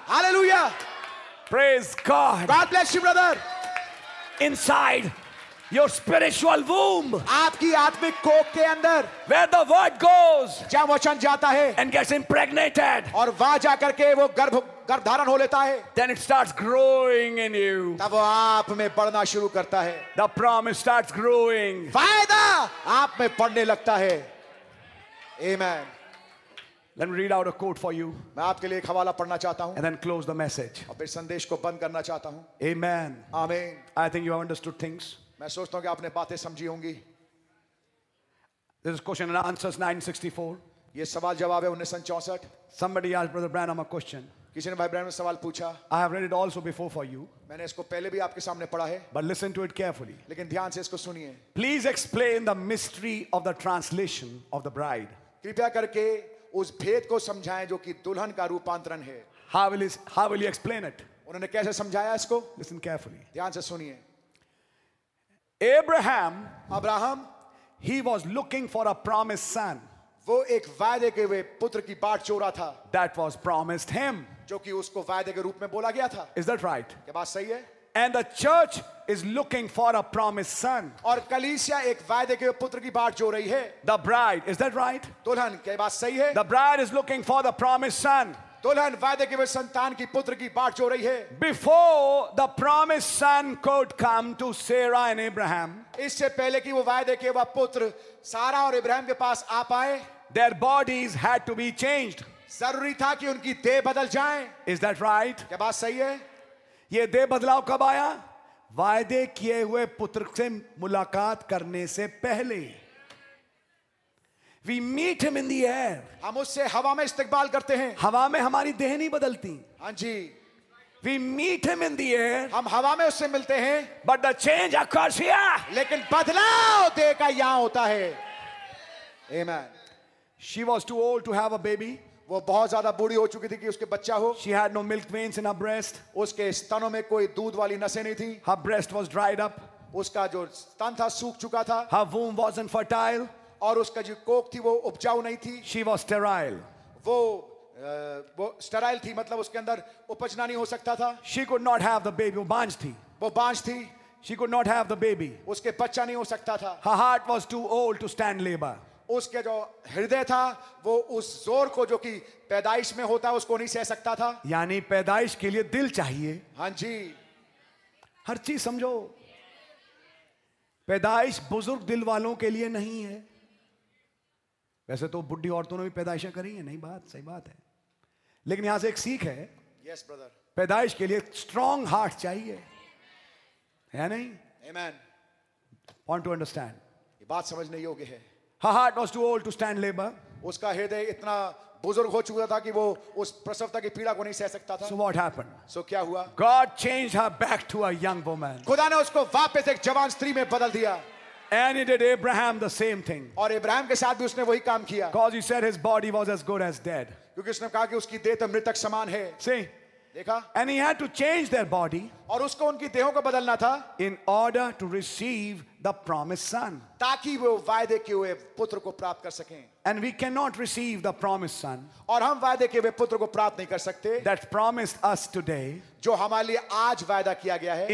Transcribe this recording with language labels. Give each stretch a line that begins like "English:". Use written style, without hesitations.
English: Hallelujah. Praise God. God bless you, brother. Inside. Your spiritual womb,
Hindi: आपकी आत्मिक कोख के अंदर,
English: where the word goes,
Hindi: जहाँ वचन जाता है,
English: and gets impregnated,
Hindi: और वहाँ जा करके वो गर्भधारण हो लेता है,
English: then it starts growing in you,
Hindi: तब वो आप में बढ़ना शुरू करता है,
English: the promise starts growing,
Hindi: फायदा आप में पढ़ने लगता है, amen.
English: Let me read out a quote for you.
Hindi: मैं आपके लिए एक हवाला पढ़ना चाहता हूँ.
English: And then close the message.
Hindi: और फिर संदेश को बंद करना चाहता हूँ.
English: Amen. Amen. I think you have understood things.
Hindi: मैं सोचता हूं कि आपने बातें समझी होंगी.
English: This is question and answers 964.
Hindi: ये सवाल जवाब है 1964.
English: Somebody asked Brother Branham a question.
Hindi: किसी ने भाई ब्रैनम से सवाल पूछा.
English: I have read it also before for you.
Hindi: मैंने इसको पहले भी आपके सामने पढ़ा है.
English: But listen to it carefully.
Hindi: लेकिन ध्यान से इसको सुनिए.
English: Please explain the mystery of the translation of the bride.
Hindi: कृपया करके उस भेद को समझाएं जो कि दुल्हन का रूपांतरण है.
English: How will you explain it?
Hindi: उन्होंने कैसे समझाया इसको?
English: Listen carefully.
Hindi: ध्यान से सुनिए.
English: Abraham, he was looking for a promised son.
Hindi: वो एक वायदे के हुए पुत्र की बाट चोरा था.
English: That was promised him.
Hindi: जो कि उसको वायदे के रूप में बोला गया था.
English: Is that right?
Hindi: क्या बात सही है?
English: And the church is looking for a promised son.
Hindi: और कलीसिया एक वायदे के हुए पुत्र की बाट चोर रही है.
English: The bride, is that right?
Hindi: दुल्हन, क्या बात सही है?
English: The bride is looking for the promised son.
Hindi: दुल्हन वायदे के हुए संतान की पुत्र की बाट चोर रही है.
English: Before the promised son could come to Sarah and Abraham,
Hindi: इससे पहले कि वो वायदे के वह पुत्र सारा और इब्राहिम के पास आ पाए,
English: their bodies had to be changed.
Hindi: जरूरी था कि उनकी देह बदल जाए.
English: Is that right?
Hindi: क्या बात सही है? ये देह बदलाव कब आया? वायदे किए हुए पुत्र से मुलाकात करने से पहले.
English: We meet him in the air.
Hindi: हम उससे हवा में इस्तकबाल करते हैं. हवा में हमारी देह नहीं बदलती. हाँ जी.
English: We meet him in the air.
Hindi: हम हवा में उससे मिलते हैं.
English: But the change occurs here.
Hindi: लेकिन बदलाव देह का यहाँ होता है.
English: Amen. She was too old to have a baby.
Hindi: वो बहुत ज़्यादा बूढ़ी हो चुकी थी कि उसके बच्चा हो.
English: She had no milk veins in her breast.
Hindi: उसके स्तनों में कोई दूध वाली नसें नहीं थी.
English: Her breast was dried up.
Hindi: उसका जो स्तन था सूख चुका था.
English: Her womb wasn't fertile.
Hindi: और उसका जो कोख थी वो उपजाऊ नहीं थी.
English: She was sterile.
Hindi: वो sterile थी, मतलब उसके अंदर उपजना नहीं हो सकता था.
English: She could not have the baby.
Hindi: वो बांझ थी.
English: She could not have the baby.
Hindi: उसके बच्चा नहीं हो सकता था.
English: Her heart was too old to stand labor.
Hindi: उसके जो हृदय था वो उस जोर को जो कि पैदाइश में होता है उसको नहीं सह सकता था. यानी पैदाइश के लिए दिल चाहिए. हाँ जी, हर चीज समझो. पैदाइश बुजुर्ग दिल वालों के लिए नहीं है. वैसे तो बुढ़ी औरतों ने भी पैदाइशें करी है. नहीं बात, सही बात है, लेकिन यहां से एक सीख है.
English: yes brother,
Hindi: पैदाइश के लिए
English: strong heart
Hindi: चाहिए, है नहीं? आमेन.
English: want to understand,
Hindi: ये बात समझने योग्य है.
English: Her heart was too old to stand labor.
Hindi: उसका हृदय इतना बुजुर्ग हो चुका था कि वो उस प्रसवता की पीड़ा को नहीं सह सकता था.
English: So what happened?
Hindi: So क्या हुआ?
English: God changed her back to a young woman.
Hindi: खुदा ने उसको वापस एक जवान स्त्री में बदल दिया.
English: And he did Abraham the same thing.
Hindi: और इब्राहिम के साथ भी उसने वही काम किया.
English: Because he said his body was as good as dead.
Hindi: क्योंकि उसने कहा कि उसकी देह तो मृतक समान है.
English: See?
Hindi: देखा?
English: And he had to change their body.
Hindi: और उसको उनकी देहों को बदलना था.
English: In order to receive the promised son.
Hindi: ताकि वो वायदे के हुए पुत्र को प्राप्त कर सकें.
English: And we cannot receive the promised son.
Hindi: और हम वायदे के हुए पुत्र को प्राप्त नहीं कर सकते.
English: That promised us today.
Hindi: जो हमारे लिए आज वायदा किया गया है.